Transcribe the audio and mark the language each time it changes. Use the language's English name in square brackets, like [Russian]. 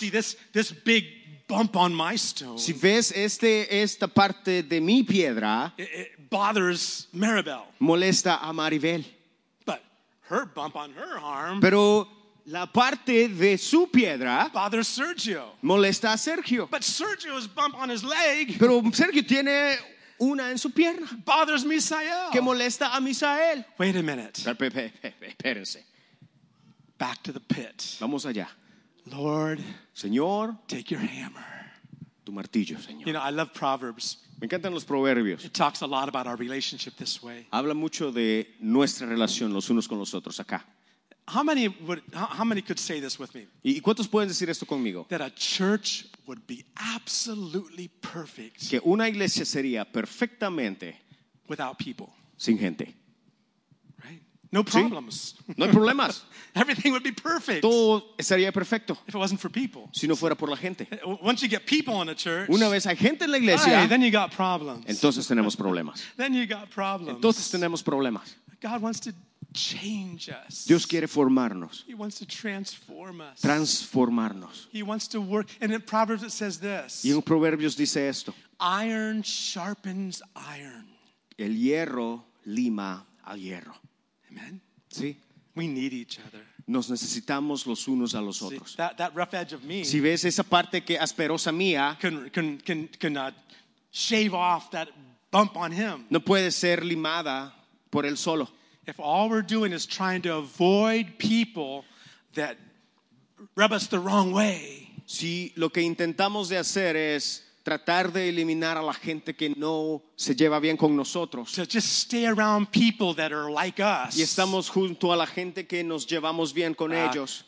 [English] You see this big bump on my stone. [Spanish] Si ves esta parte de mi piedra. [English] It bothers Maribel. [Spanish] Molesta a Maribel. [English] But her bump on her arm. [Spanish] Pero la parte de su piedra. [English] Bothers Sergio. [Spanish] Molesta a Sergio. [English] But Sergio's bump on his leg. [Spanish] Pero Sergio tiene una en su pierna. [English] Bothers Misael. [Spanish] Que molesta a Misael. [English] Wait a minute. [Spanish] Espérense. [English] Back to the pit. [Spanish] Vamos allá. [English] Lord, [Spanish] Señor, [English] take your hammer. [Spanish] Tu martillo, Señor. [English] You know, I love Proverbs. [Spanish] Me encantan los proverbios. [English] It talks a lot about our relationship this way. [Spanish] Habla mucho de nuestra relación los unos con los otros acá. [English] How many could say this with me? [Spanish] ¿Y cuántos pueden decir esto conmigo? [English] That a church would be absolutely perfect. [Spanish] Que una iglesia sería perfectamente [English] without people. [Spanish] Sin gente. [English] No problems. [Spanish] ¿Sí? No hay problemas. [English] Everything would be perfect. [Spanish] Todo sería perfecto. [English] If it wasn't for people. [Spanish] Si no fuera por la gente. [English] Once you get people in a church. [Spanish] Una vez hay gente en la iglesia. [English] Hey, then you got problems. [Spanish] Entonces tenemos problemas. [English] Then you got problems. [Spanish] Entonces tenemos problemas. [English] God wants to change us. [Spanish] Dios quiere formarnos. [English] He wants to transform us. [Spanish] Transformarnos. [English] He wants to work. And in Proverbs it says this. [Spanish] Y en Proverbios dice esto. [English] Iron sharpens iron. [Spanish] El hierro lima al hierro. [English] Amen. [Spanish] Sí. [English] We need each other. [Spanish] Nos necesitamos los unos a los otros. [English] See, that rough edge of me, [Spanish] si ves esa parte que asperosa mía, [English] can shave off that bump on him. [Spanish] No puede ser limada por él solo. [English] If all we're doing is trying to avoid people that rub us the wrong way. [Spanish] Si lo que intentamos de hacer es tratar de eliminar a la gente que no se lleva bien con nosotros. [English] To just stay around people that are like us. [Spanish] Y estamos junto a la gente que nos llevamos bien con ellos.